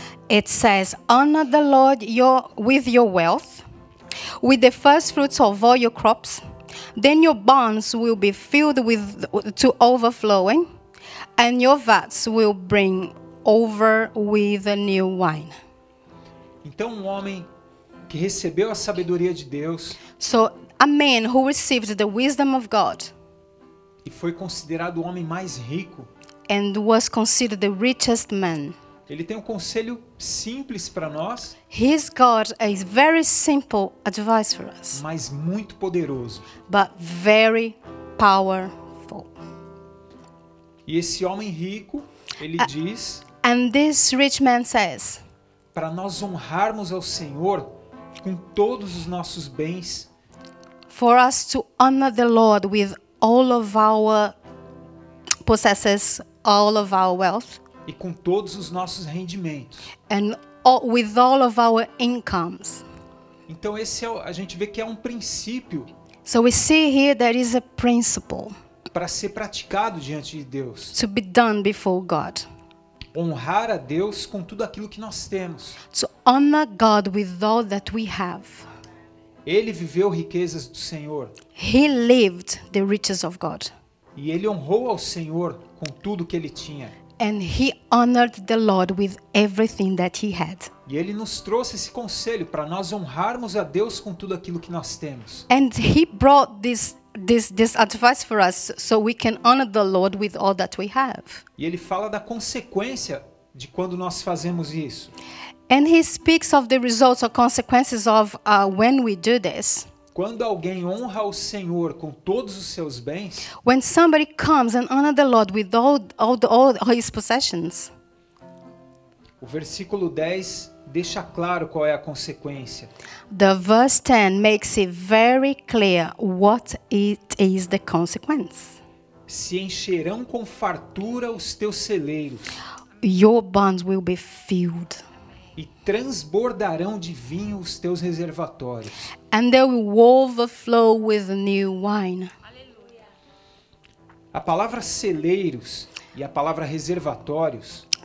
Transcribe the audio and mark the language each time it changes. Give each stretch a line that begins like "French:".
English: It says, honor the Lord with your wealth, with the first fruits of all your crops. Then your barns will be filled with to overflowing, and your vats will bring over with a new wine.
Portuguese: Então, um homem que recebeu a sabedoria de Deus.
English: So, a man who received the wisdom of God.
Portuguese: E foi considerado o homem mais rico.
English: And was considered the richest man.
Portuguese: Ele tem um conselho simples para nós.
English: He's got a very simple advice for us.
Portuguese: Mas muito poderoso.
English: But very powerful.
Portuguese: E esse homem rico, ele diz.
English: And this rich man says.
Portuguese: Para nós honrarmos ao Senhor com todos os nossos bens.
English: For us to honor the Lord with all of our possesses, all of our wealth.
Portuguese: E com todos os nossos rendimentos.
English: And all, with all of our incomes.
Portuguese: Então esse é, a gente vê que é um princípio.
English: So we see here there is a principle.
Portuguese: Para ser praticado diante de Deus.
English: To be done before God.
Portuguese: Honrar a Deus com tudo aquilo que nós temos.
English: To honor God with all that we have.
Portuguese: Ele viveu riquezas do Senhor.
English: He lived the riches of God.
Portuguese: E ele honrou ao Senhor com tudo que ele tinha.
English: And he honored the Lord with everything that he had.
Portuguese: E ele nos trouxe esse conselho para nós honrarmos a Deus com tudo aquilo que nós temos.
English: And he brought this advice for us so we can honor the Lord with all that we have.
Portuguese: E ele fala da consequência de quando nós fazemos isso.
English: And he speaks of the results or consequences of when we do this.
Portuguese: Quando alguém honra o Senhor com todos os seus bens,
English: when somebody comes and honors the Lord with all his possessions.
Portuguese: O versículo 10 deixa claro qual é a consequência.
English: The verse 10 makes it very clear what it is the consequence.
Portuguese: Se encherão com fartura os teus celeiros.
English: Your barns will be filled.
Portuguese: E transbordarão de vinho os teus reservatórios.
English: And they will overflow with new wine.
Portuguese: A palavra celeiros e a palavra reservatórios.